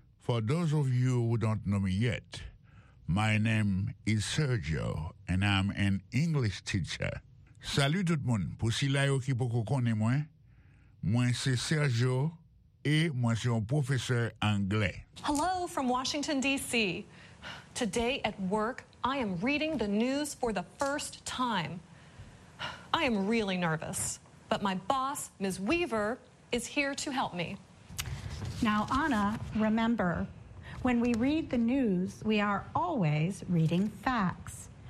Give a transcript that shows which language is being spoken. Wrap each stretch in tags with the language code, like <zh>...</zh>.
<en>For those of you who don't know me yet, my name is Sergio, and I'm an English teacher.</en> <ht>Salut tout le monde. Pour si la yo ki poko kone mwen, mwen se Sergio, et mwen se un professeur anglais.</ht> <en>Hello from Washington, D.C. Today at work, I am reading the news for the first time. I am really nervous, but my boss, Ms. Weaver, is here to help me. Now, Anna, remember, when we read the news, we are always reading facts.</en>